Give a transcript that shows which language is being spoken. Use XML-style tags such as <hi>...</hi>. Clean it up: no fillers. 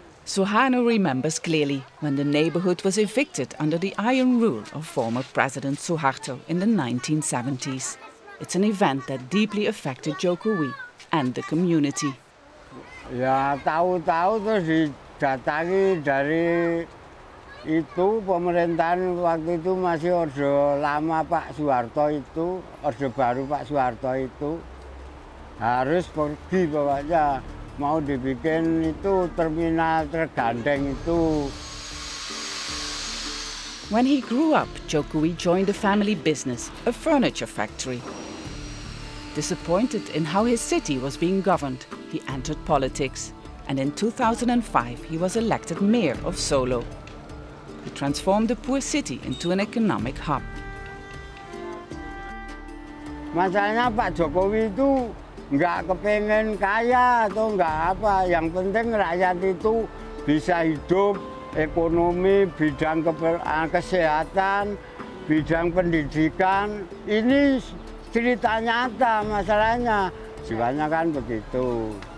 <en>Suharno remembers clearly when the neighborhood was evicted under the iron rule of former President Suharto in the 1970s. It's an event that deeply affected Jokowi and the community.</en> <id>Ya, tahu-tahu terus didatangi dari itu pemerintahan waktu itu masih orde lama Pak Soeharto itu, orde baru Pak Soeharto itu harus pergi bapaknya mau dibikin itu terminal tergandeng itu.</id> <en>When he grew up, Jokowi joined a family business, a furniture factory. Disappointed in how his city was being governed, he entered politics, and in 2005 he was elected mayor of Solo. To transform the poor city into an economic hub.</en> <id>Masalahnya Pak Jokowi itu nggak kepengen kaya atau nggak apa, yang penting rakyat itu bisa hidup, ekonomi, bidang kesehatan, bidang pendidikan, ini cerita nyata masalahnya, jiwanya kan begitu.</id>